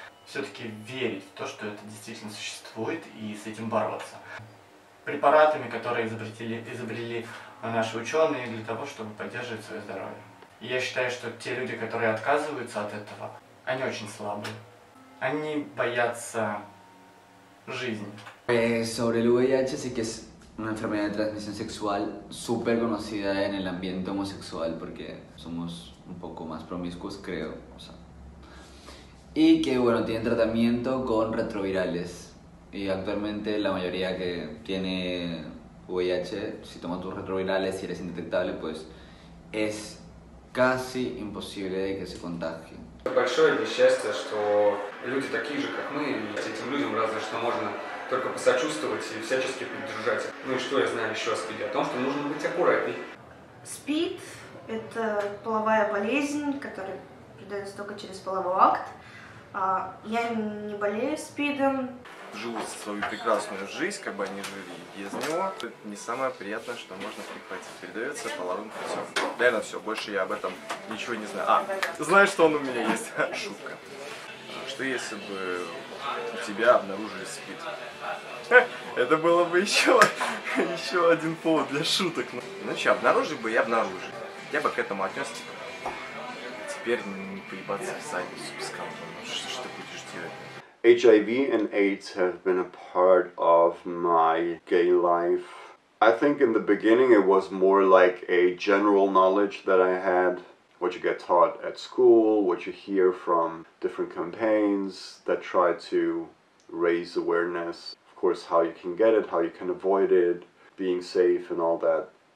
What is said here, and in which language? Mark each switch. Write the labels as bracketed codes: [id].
[ru] Все-таки верить в то, что это действительно существует, и с этим бороться. Препаратами, которые изобрели наши ученые для того, чтобы поддерживать свое здоровье. И я считаю, что те люди, которые отказываются от этого, они очень слабые. Они боятся жизни. [es] Sobre el VIH, sí que es una enfermedad de transmisión sexual súper conocida en el ambiente homosexual porque somos un poco más promiscuos, creo. O sea. Y que, bueno, tiene tratamiento con retrovirales. Y actualmente la mayoría que tiene VIH, si toma tus retrovirales y eres indetectable, pues es casi imposible de que se contagie. [ru] Большое несчастье, что люди такие же, как мы, и этим людям разве что можно только посочувствовать и всячески поддержать. Ну и что я знаю еще о СПИДе? О том, что нужно быть аккуратней. СПИД – это половая болезнь, которая передается только через половой акт. Я не болею СПИДом. Живут свою прекрасную жизнь, как бы они жили без него. Не самое приятное, что можно прихватить. Передается половым путем. Реально все, больше я об этом ничего не знаю. А, знаю, что он у меня есть. Шутка. Что если бы у тебя обнаружили СПИД? Это было бы еще один повод для шуток. Ну что, обнаружили бы и обнаружили. Я бы к этому отнесся, типа, теперь не поебаться в задницу с камнем. Что ты будешь делать? [en] HIV and AIDS have been a part of my gay life. I think in the beginning it was more like a general knowledge that I had, what you get taught at school, what you hear from different campaigns that try to raise awareness, of course how you can get it, how you can avoid it, being safe and all that.